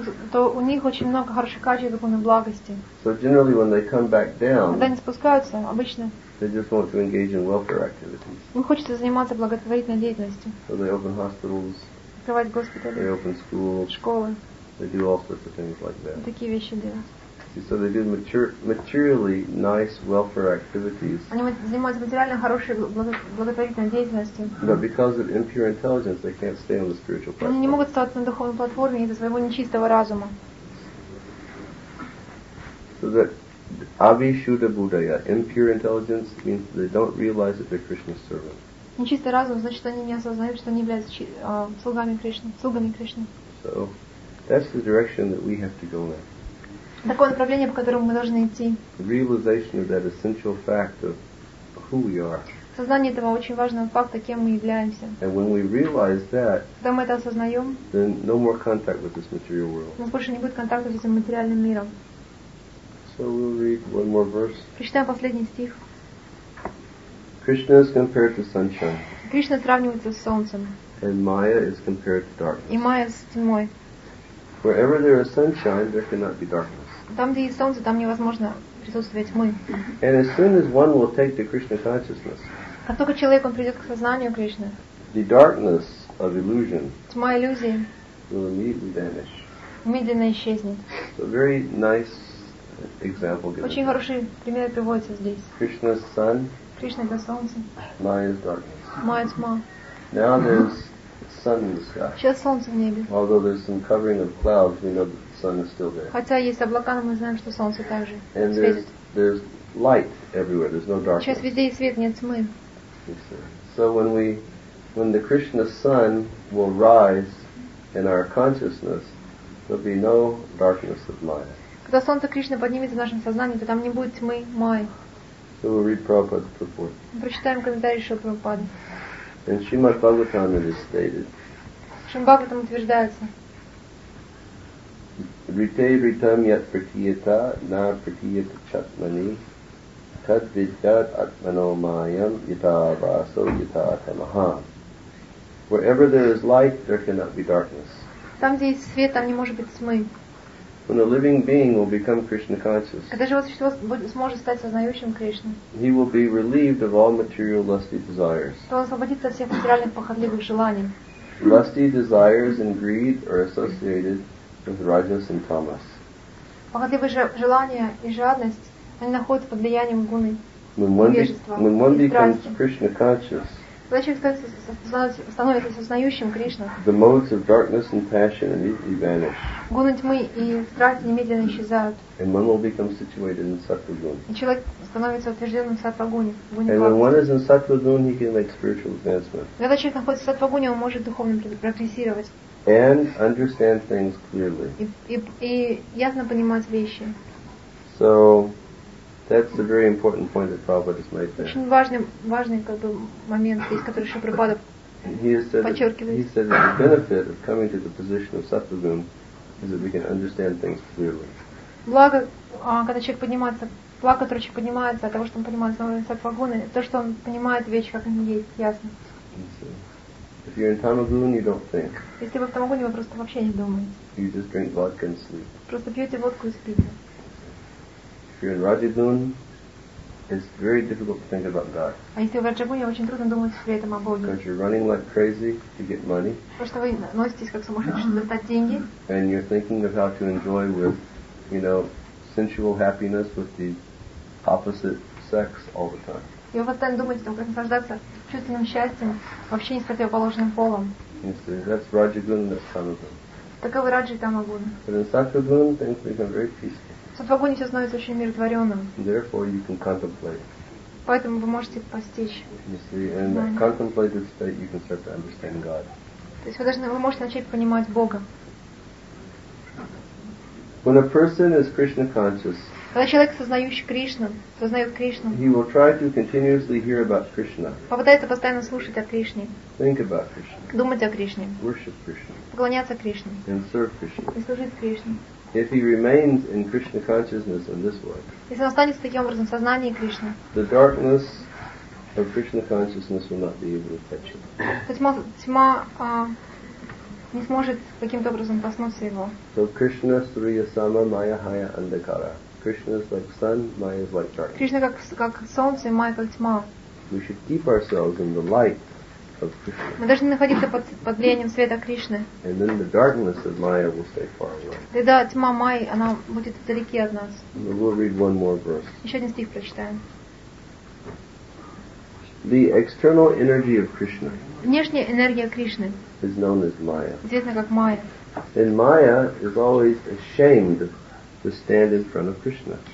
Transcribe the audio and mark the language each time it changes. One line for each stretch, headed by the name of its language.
Russian: То у них очень много хороших качеств духовной благости.
English: So generally when they come back down.
Russian: Когда они спускаются обычно.
English: They just want to engage in welfare activities.
Russian: Им хочется заниматься благотворительной деятельностью.
English: So they open hospitals.
Russian: Открывать госпитали.
English: They open schools.
Russian: Школы.
English: They do all sorts of things like that.
Russian: Такие вещи делают.
English: So they do materially nice welfare activities.
Russian: Они занимаются материально хорошей благотворительной деятельностью.
English: But because of impure intelligence, they can't stay on the spiritual platform.
Russian: Они не могут оставаться на духовной платформе из-за своего нечистого разума.
English: So that
Sanskrit: avishuddha buddhaya,
English: impure intelligence means they don't realize that they're Krishna's servant.
Russian: Нечистый разум, значит, они не осознают, что они являются слугами Кришны, слугами Кришны.
English: So, that's the direction that we have to go in.
Russian: Такое направление, по которому мы должны идти.
English: Realization of that essential fact of who we are.
Russian: Сознание этого очень важного факта, кем мы являемся.
English: And when we realize that,
Russian: когда мы это осознаем,
English: then no more contact with this material world.
Russian: У нас больше не будет контакта с этим материальным миром.
English: So we'll read one more verse.
Russian: Прочитаем последний стих.
English: Krishna is compared to sunshine.
Russian: Кришна сравнивается с солнцем.
English: And Maya is compared to darkness.
Russian: И Майя с тьмой.
English: Wherever there is sunshine, there cannot be darkness.
Russian: Там, где есть солнце, там невозможно присутствовать тьмы.
English: And as soon as one will take to Krishna consciousness.
Russian: Как только человек он придет к сознанию Кришны.
English: The darkness of illusion.
Russian: Тьма иллюзии.
English: Will immediately vanish.
Russian: Медленно исчезнет.
English: So very nice example.
Russian: Очень
English: given.
Russian: Хороший пример приводится здесь.
English: Krishna's sun.
Russian: Кришна это солнце.
English: Майя is darkness.
Russian: Майя тьма.
English: Now there's sun in the sky.
Russian: Сейчас солнце в небе.
English: Although there's some covering of clouds, we know that the sun is still there.
Russian: Хотя есть облака, но мы знаем, что солнце также светит.
English: And there's light everywhere. There's no darkness.
Russian: Сейчас везде есть свет, нет тьмы.
English: So when the Krishna sun will rise in our consciousness, there'll be no darkness of Maya.
Russian: Когда солнце Кришны поднимется в нашем сознании, то там не будет тьмы Майи.
English: So we'll read Prabhupada's purport.
Russian: Прочитаем комментарий Шрилы Прабхупады.
English: And Shrimad Bhagavatam it is stated.
Russian: Шримад-Бхагаватам утверждается.
Sanskrit: Рите ритам ят пратиета на пратиета чатмани тад виддят атмано майам ята расо ята тамаха.
English: Wherever there is light, there cannot be darkness.
Russian: Там, где есть свет, там не может быть тьмы.
English: When a living being will become Krishna conscious,
Russian: когда живое существо сможет стать сознающим Кришны,
English: he will be relieved of all material lusty desires.
Russian: То он освободится от всех материальных похотливых желаний.
English: Lusty desires and greed are associated with rajas and tamas.
Russian: Похотливые желания и жадность, они находятся под влиянием гуны,
English: when one becomes Krishna conscious,
Russian: когда человек становится сознающим Кришну,
English: the modes of darkness and passion immediately vanish.
Russian: Гуны тьмы и страсти немедленно исчезают.
English: And one will become situated in sattva-gun.
Russian: И человек становится утвержденным в сатва-гуне.
English: And when one is in sattva-gun, he can make spiritual advancement.
Russian: Когда человек находится в сатва-гуне, он может духовно прогрессировать.
English: And understand things clearly.
Russian: И ясно понимать вещи.
English: So that's a very important point that Prabhupada has made there.
Russian: Очень важный как бы момент здесь, который еще Прабхупада подчеркивает.
English: He said that the benefit of coming to the position of sattva-gun is that we can understand things clearly.
Russian: Благо, которое человек поднимается от того, что он понимает сатва-гуны, то, что он понимает вещи, как они есть, ясно.
English: If you're in tamagun, you don't think.
Russian: Если вы в тамагуне, вы просто вообще не думаете.
English: You just drink vodka and sleep.
Russian: Просто пьете водку и спите.
English: If you're in Rajagun, it's very difficult to think about God.
Russian: А если в Раджагуне, очень трудно думать при этом о Боге.
English: Because you're running like crazy to get money.
Russian: Потому что вы носитесь как сумасшедший, чтобы достать деньги.
English: And you're thinking of how to enjoy with, you know, sensual happiness with the opposite sex all the time.
Russian: И вы постоянно думаете о том, как наслаждаться чувственным счастьем вообще не с противоположным полом.
English: That's Rajagun, that's Tamagun.
Russian: Таковы Раджи и Тамагун.
English: But in Sattva-gun, things become very peaceful.
Russian: В сатва-гуне все становится очень умиротворенным.
English: Therefore you can contemplate.
Russian: Поэтому вы можете постичь.
English: You see, in a contemplative state you can start to understand God.
Russian: То есть вы можете начать понимать Бога.
English: When a person is Krishna conscious,
Russian: когда человек сознающий Кришну, сознает Кришну,
English: he will try to continuously hear about Krishna.
Russian: Попытается постоянно слушать о Кришне.
English: Think about Krishna.
Russian: Думать о Кришне.
English: Worship Krishna.
Russian: Поклоняться Кришне.
English: And serve Krishna.
Russian: И служить Кришне.
English: If he remains in Krishna consciousness in this way,
Russian: если он останется таким образом в сознании Кришны,
English: the darkness of Krishna consciousness will not be able to touch him.
Russian: Тьма не сможет каким-то образом коснуться его.
English: So
Sanskrit: Krishna Surya Sama Maya Haya Andhakara.
English: Krishna is like sun, Maya is like darkness.
Russian: Кришна как солнце, Майя как тьма.
English: We should keep ourselves in the light of Krishna.
Russian: Мы должны находиться под влиянием света Кришны.
English: And then the darkness of Maya will stay far away.
Russian: Тогда тьма Майи, она будет вдалеке от нас.
English: We'll read one more verse.
Russian: Еще один стих прочитаем.
English: The external energy of Krishna.
Russian: Внешняя энергия Кришны.
English: Is known as Maya.
Russian: Известна как Майя.
English: And Maya is always ashamed to stand in front of Krishna.